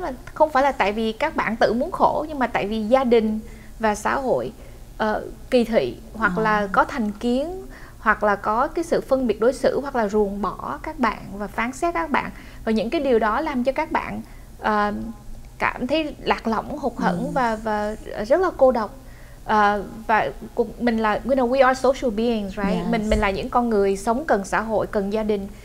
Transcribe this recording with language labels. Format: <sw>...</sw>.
<vi>Mà không phải là tại vì các bạn tự muốn khổ, nhưng mà tại vì gia đình và xã hội kỳ thị, hoặc là có thành kiến, hoặc là có cái sự phân biệt đối xử, hoặc là ruồng bỏ các bạn và phán xét các bạn. Và những cái điều đó làm cho các bạn cảm thấy lạc lõng, hụt hẫng và rất là cô độc. Và mình là,</vi> <en>you know, we are social beings, right? Yes.</en> <vi>Mình là những con người sống cần xã hội, cần gia đình.</vi>